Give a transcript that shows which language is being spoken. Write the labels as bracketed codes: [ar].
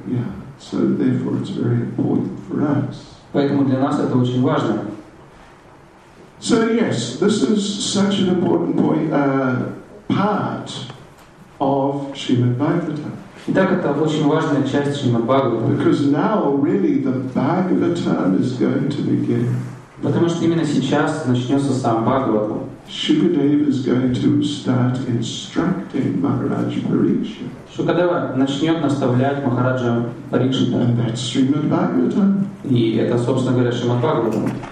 [en] Yeah. So therefore, it's very important for us. [ru] Поэтому для нас это очень важно. [en] So yes, this is such an important point, part of Srimad Bhagavatam. [ru] Итак, это очень важная часть Шримад Бхагаватам. [en] Because now really the Bhagavatam is going to begin. [ru] Потому что именно сейчас начнется сам Бхагаватам. [en] Shukadeva is going to start instructing Maharaj Pariksha. [ru] Шукадева начнет наставлять Махараджа Парикшита. [en] And that's Srimad Bhagavatam. [ru] И это, собственно говоря, Шримад Бхагаватам.